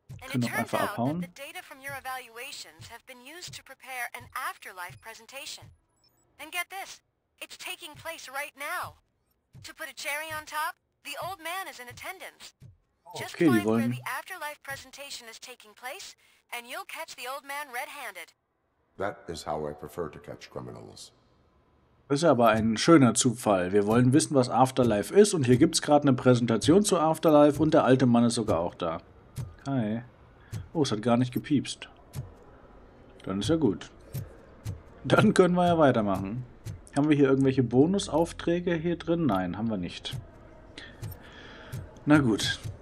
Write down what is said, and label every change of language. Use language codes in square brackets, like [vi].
[de] Können wir einfach abhauen. Die Daten von deinen Evaluations haben benutzt, um eine Afterlife-Präsentation zu machen. [en] And get this, it's taking place right now. To put a cherry on top, the old man is in attendance. Just find where the afterlife presentation is taking place, and you'll catch the old man red-handed. That is how I prefer to catch criminals. [de] Das ist aber ein schöner Zufall. Wir wollen wissen, was Afterlife ist, und hier gibt's gerade eine Präsentation zu Afterlife, und der alte Mann ist sogar auch da. Hi. Oh, es hat gar nicht gepiepst. Dann ist ja gut. Dann können wir ja weitermachen. Haben wir hier irgendwelche Bonusaufträge hier drin? Nein, haben wir nicht. Na gut.